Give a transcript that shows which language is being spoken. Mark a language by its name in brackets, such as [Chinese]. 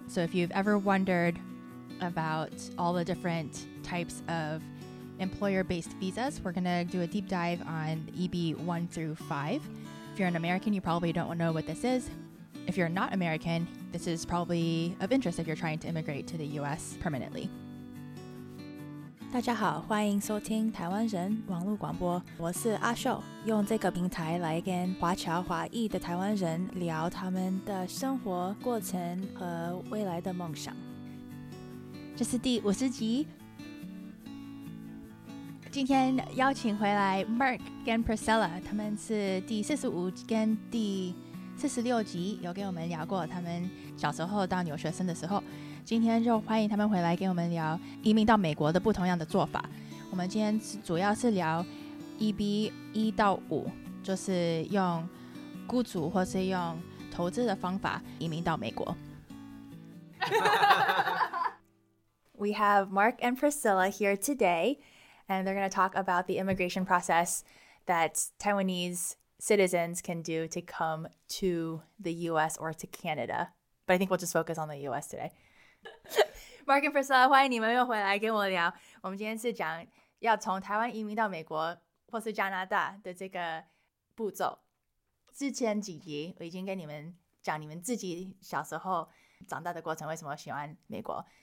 [English] So if you've ever wondered about all the different types of employer-based visas, we're going to do a deep dive on EB 1 through 5. If you're an American, you probably don't know what this is. If you're not American, this is probably of interest if you're trying to immigrate to the U.S. permanently. [Chinese] 大家好，欢迎收听台湾人网络广播，我是阿秀，用这个平台来跟华侨华裔的台湾人聊他们的生活过程和未来的梦想。这是第五十集，今天邀请回来 Mark 跟 Priscilla， 他们是第四十五跟第四十六集有跟我们聊过他们小时候当留学生的时候。今天就欢迎他们回来跟我们聊移民到美国的不同样的做法。我们今天主要是聊 EB 1到 5， 就是用雇主或是用投资的方法移民到美国。 [English] We have Mark and Priscilla here today, and they're going to talk about the immigration process that Taiwanese citizens can do to come to the US or to Canada. But I think we'll just focus on the US today. [Chinese] Mark and Priscilla， 欢迎你们又回来跟我聊。我们今天是讲要从台湾移民到美国或是加拿大的这个步骤。之前几集我已经跟你们讲你们自己小时候长大的过程，为什么喜欢美国。